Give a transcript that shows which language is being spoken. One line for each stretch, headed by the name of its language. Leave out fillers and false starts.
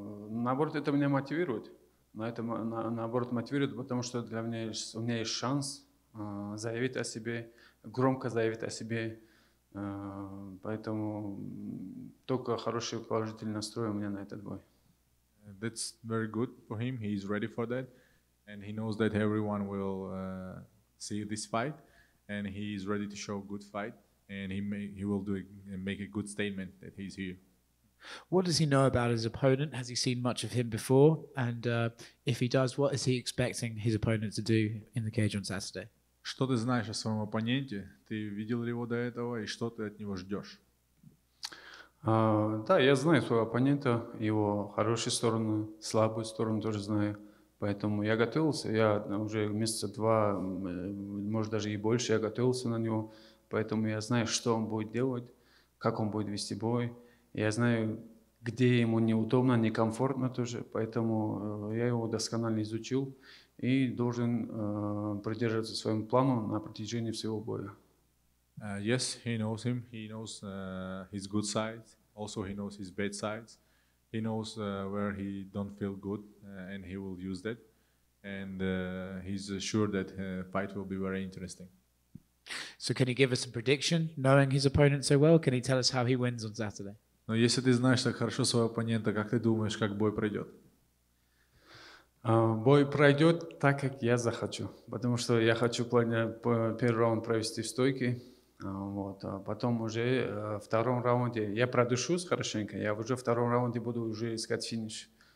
Russian: Наоборот, это меня мотивирует. Но это наоборот мотивирует, потому что для меня у меня есть шанс заявить о себе, громко заявить о себе. Поэтому только хороший положительный настрой у меня на этот бой.
English: That's very good for him. He is ready for that. And he knows that everyone will see this fight, and he is ready to show a good fight, and he will make a good statement that he's here. What does he know about his opponent? Has he seen much of him before? And if he does, what is he expecting his opponent to do in the cage on Saturday?
Russian: Что ты знаешь о своем оппоненте? Ты видел ли его до этого, и что ты от него ждешь? Да, я знаю своего оппонента, его хорошие стороны, слабые стороны тоже знаю. Поэтому я готовился, я уже месяца два, может даже и больше, я готовился на него. Поэтому я знаю, что он будет делать, как он будет вести бой. Я знаю, где ему неудобно, некомфортно тоже. Поэтому я его досконально изучил и должен придерживаться своему плану на протяжении всего боя.
English: Yes, he knows him. He knows his good sides. Also, he knows his bad sides. He knows where he don't feel good, and he will use that. And he's sure that fight will be very interesting. So can he give us a prediction, knowing his opponent so well? Can he tell us how he wins on Saturday?
Russian: Но если ты знаешь так хорошо своего оппонента, как ты думаешь, как бой пройдет? Бой пройдет так, как я захочу. Потому что я хочу первый раунд провести в стойке. Вот, а потом уже в втором раунде я продышусь хорошенько, я уже в втором раунде буду уже искать финиш.